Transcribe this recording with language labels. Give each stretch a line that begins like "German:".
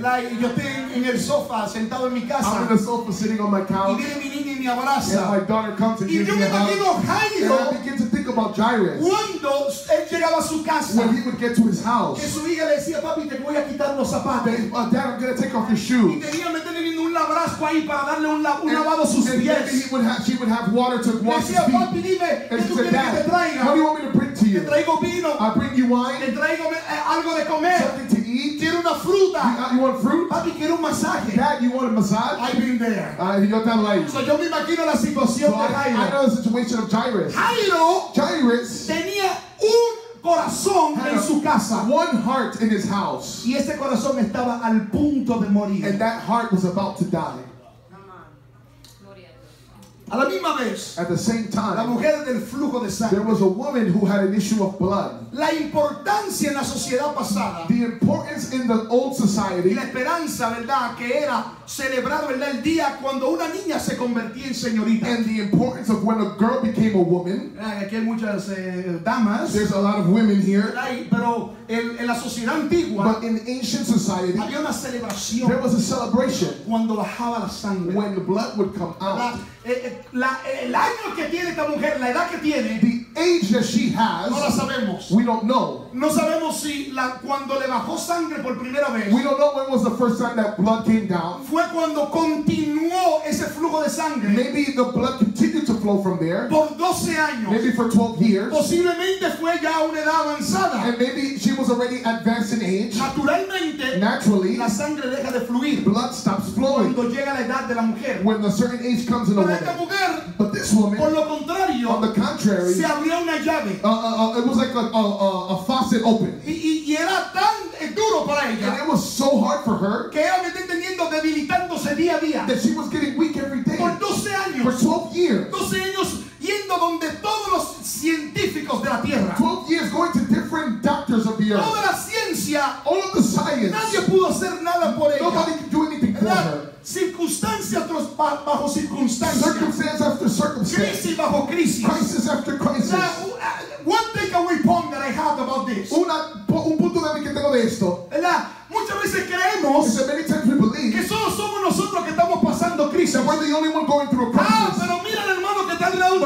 Spanish: Like, yo estoy en el sofá, sentado en mi casa.
English: I'm in the sofa, sitting on my couch.
Spanish: Y viene mi niña y me abraza.
English: And my daughter comes and gives me a hug. And I begin to think about Jairus.
Spanish: Cuando él llegaba a su casa.
English: When he would get to his house.
Spanish: Que su hija le decía, papi, te voy a quitar los zapatos.
English: Dad, I'm going to take off your shoes.
Spanish: Y tenía meterle un abrazo ahí para darle un lavado a sus pies.
English: And maybe she would have water to wash
Spanish: decía,
English: his feet.
Spanish: Papi, dime,
English: and she said, Dad, what do you want me to bring to you?
Spanish: Te traigo vino.
English: I bring you wine.
Spanish: Te traigo algo de comer.
English: Something to eat.
Spanish: Quiero una fruta.
English: You want fruit?
Spanish: Papi, quiero un masaje.
English: Dad, you want a massage? I've been there. You got that light.
Spanish: So yo me imagino la situación de Jairo.
English: I know the situation of Jairus.
Spanish: Jairus tenía un corazón en su casa.
English: One heart in his house.
Spanish: Y ese corazón estaba al punto de morir.
English: And that heart was about to die.
Spanish: A la misma vez,
English: at the same time,
Spanish: la mujer del flujo de sangre,
English: there was a woman who had an issue of blood.
Spanish: La importancia en la sociedad pasada,
English: the importance in the old society,
Spanish: y la esperanza, verdad, que era celebrado, verdad, el día cuando una niña se convertía en señorita,
English: and the importance of when a girl became a woman.
Spanish: Aquí hay muchas damas.
English: There's a lot of women here.
Spanish: Pero en la sociedad antigua,
English: but in ancient society,
Spanish: había una celebración.
English: There was a celebration
Spanish: cuando bajaba la sangre,
English: when the blood would come out.
Spanish: El año que tiene esta mujer, la edad que tiene,
English: the age that she has,
Spanish: no la sabemos.
English: We don't know.
Spanish: No sabemos si cuando le bajó sangre por primera vez.
English: We don't know when was the first time that blood came down.
Spanish: Fue cuando continuó ese flujo de sangre.
English: Maybe the blood continued to flow from there.
Spanish: Por 12 años.
English: Maybe for 12 years.
Spanish: Posiblemente fue ya una edad avanzada.
English: And maybe she was already advanced in age.
Spanish: Naturalmente,
English: naturally,
Spanish: la sangre deja de fluir.
English: Blood stops flowing.
Spanish: Cuando llega la edad de la mujer.
English: When a certain age comes in a woman.
Spanish: Pero esta mujer,
English: but this woman,
Spanish: por lo contrario,
English: on the contrary,
Spanish: se abrió una llave.
English: It was like a faucet open.
Spanish: Y era tan duro para ella.
English: And it was so hard for her.
Spanish: Que ella me está entendiendo, debilitándose día a día.
English: That she was getting weak every day.
Spanish: Por 12 años.
English: For 12 years.
Spanish: 12 años yendo donde todos los científicos de la tierra.
English: 12 years going to different doctors of the earth.
Spanish: Toda la ciencia.
English: All of the science.
Spanish: Nadie pudo hacer nada por ella.
English: Nobody could do anything for her.
Spanish: Circunstancia tras bajo circunstancia.
English: Circumstance after circumstance.
Spanish: Crisis bajo crisis.
English: Crisis after crisis. One takeaway point that I have about this.
Spanish: Un punto de mí que tengo de esto. Muchas veces creemos
English: many times we believe
Spanish: que solo somos nosotros que estamos pasando crisis.
English: That the only one going through a crisis.
Spanish: Pero mira al hermano que está al lado tuyo.